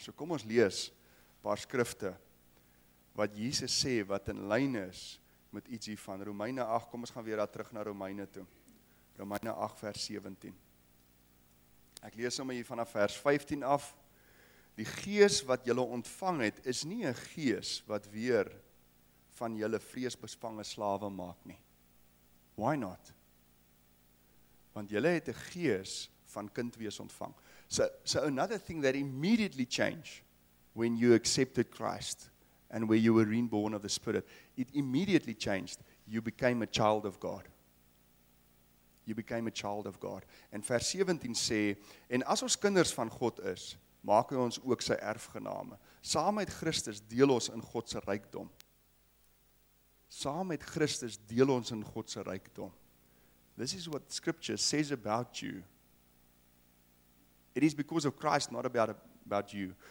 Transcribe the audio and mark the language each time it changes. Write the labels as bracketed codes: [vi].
[af] So kom ons lees, paar skrifte, wat Jesus sê, wat in lyn is, met iets hiervan, Romeine 8, kom ons gaan weer daar terug na Romeine toe, Romeine 8 vers 17, ek lees sommer hier vanaf vers 15 af, die gees wat julle ontvang het, is nie 'n gees, wat weer, van julle vreesbespange slawe maak nie, [en] why not? [af] Want julle het 'n gees, van kind wees ontvang. [en] So another thing that immediately changed when you accepted Christ and where you were reborn of the Spirit, it immediately changed. You became a child of God. You became a child of God. [af] And vers 17 sê, en as ons kinders van God is, maak hy ons ook sy erfgename. Saam met Christus deel ons in God se rykdom. Saam met Christus deel ons in God se rykdom. [en] This is what scripture says about you. It is because of Christ, not about you.